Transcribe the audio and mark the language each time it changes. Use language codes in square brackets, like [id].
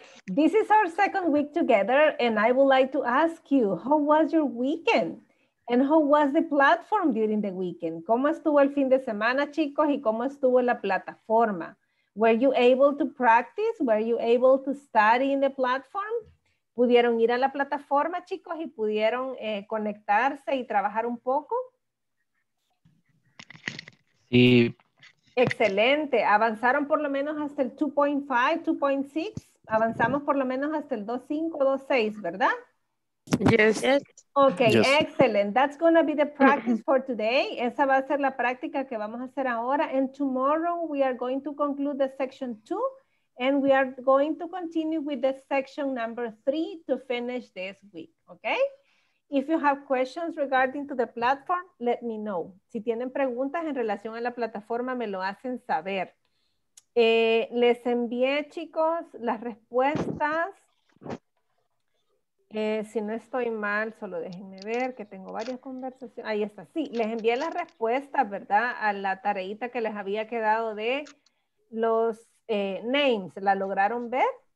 [en] This is our second week together, and I would like to ask you, how was your weekend? And how was the platform during the weekend? [es] ¿Cómo estuvo el fin de semana, chicos? ¿Y cómo estuvo la plataforma? [en] Were you able to practice? Were you able to study in the platform? [es] ¿Pudieron ir a la plataforma, chicos, y pudieron conectarse y trabajar un poco? Sí. Excelente. ¿Avanzaron por lo menos hasta el 2.5, 2.6? Avanzamos por lo menos hasta el 2.5, 2.6, ¿verdad? [en] Yes. Okay, yes. Excellent. That's going to be the practice for today. [es] Esa va a ser la práctica que vamos a hacer ahora. [en] And tomorrow we are going to conclude the section 2. And we are going to continue with the section number 3 to finish this week. Okay? If you have questions regarding to the platform, let me know. [es] Si tienen preguntas en relación a la plataforma, me lo hacen saber. Les envié, chicos, las respuestas. Si no estoy mal, solo déjenme ver que tengo varias conversaciones. Ahí está. Sí, les envié las respuestas, ¿verdad? A la tareita que les había quedado de los names. ¿La lograron ver?